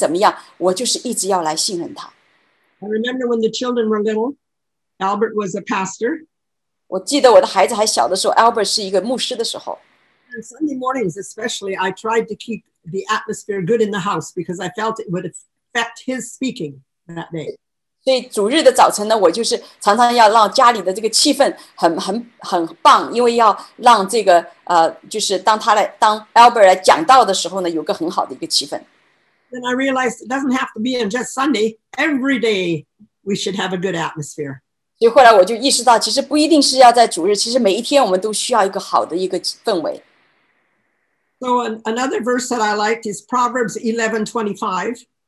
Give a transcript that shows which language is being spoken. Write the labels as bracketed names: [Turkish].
[Chinese] 所以就是从我自己的经历和别人的见证的里面，就是不管外面环境怎么样，我就是一直要来信任他。 [English] I remember when the children were little, Albert was a pastor. [Chinese] 我记得我的孩子还小的时候，Albert是一个牧师的时候。 [English] And Sunday mornings especially, I tried to keep the atmosphere good in the house because I felt it would affect his speaking that day. [Chinese] 所以主日的早晨呢，我就是常常要让家里的这个气氛很棒，因为要让这个就是当他来当Albert来讲道的时候呢，有个很好的一个气氛。 [English] Then I realized it doesn't have to be in just Sunday. Every day we should have a good atmosphere. [Chinese] 所以后来我就意识到，其实不一定是要在主日，其实每一天我们都需要一个好的一个氛围。 [English] So another verse that I liked is Proverbs 11:25.